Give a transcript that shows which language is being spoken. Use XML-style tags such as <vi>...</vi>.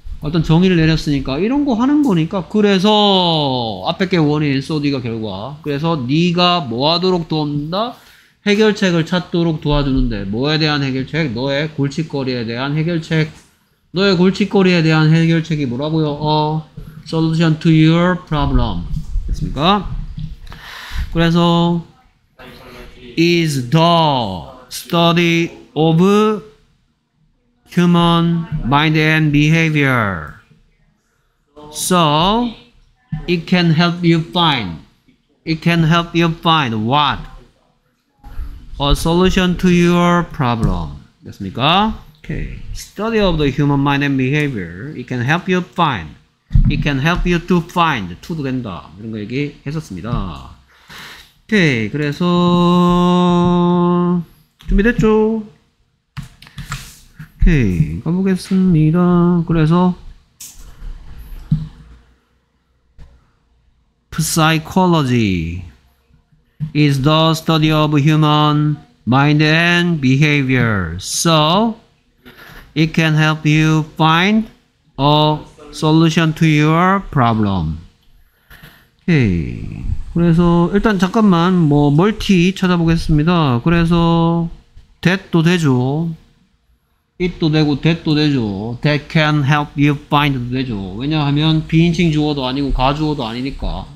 <ko>어떤 정의를 내렸으니까 이런 거 하는 거니까 그래서 앞에 게 원인 소디가 결과 그래서 네가 뭐 하도록 도운다? 해결책을 찾도록 도와주는데 뭐에 대한 해결책? 너의 골칫거리에 대한 해결책 너의 골칫거리에 대한 해결책이 뭐라고요?</ko> <en>A solution to your problem</en> <ko>됐습니까? 그래서</ko> <en>is the study of human mind and behavior. So, it can help you find. It can help you find what? A solution to your problem.</en> <ko>됐습니까?</ko> <en>Okay. Study of the human mind and behavior. It can help you find. It can help you to find. To</en> <ko>도 된다. 이런 거 얘기했었습니다.</ko> <en>Okay.</en> <ko>그래서, 준비됐죠? 오케이 가보겠습니다. 그래서</ko> <en>psychology is the study of human mind and behavior. So it can help you find a solution to your problem.</en> <ko>오케이. 그래서 일단 잠깐만 뭐 멀티 찾아보겠습니다. 그래서 that도 되죠. it도 되고 that도 되죠.</ko> <en>that can help you find</en> <ko>도 되죠. 왜냐하면 비인칭 주어도 아니고 가주어도 아니니까.</ko>